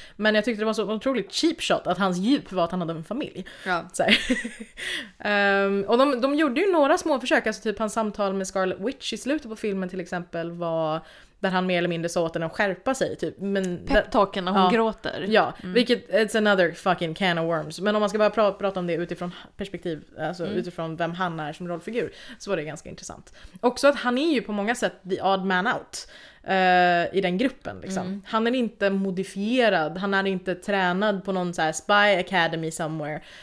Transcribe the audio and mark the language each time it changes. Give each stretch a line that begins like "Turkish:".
Swedish: Men jag tyckte det var så otroligt cheap shot att hans djup var att han hade en familj. Ja. Och de gjorde ju några små försök, alltså typ hans samtal med Scarlet Witch i slutet på filmen till exempel, var där han mer eller mindre sa åt henne att skärpa sig. Typ. Pep-talken när hon gråter. Ja, vilket,
English: it's another fucking can of worms.
Swedish: Men om man ska bara prata om det utifrån perspektiv, alltså utifrån vem han är som rollfigur, så var det ganska intressant. Också att han är ju på många sätt
English: the odd man out
Swedish: i den gruppen. Liksom. Mm. Han är inte modifierad, han är inte tränad på någon så här
English: spy academy somewhere.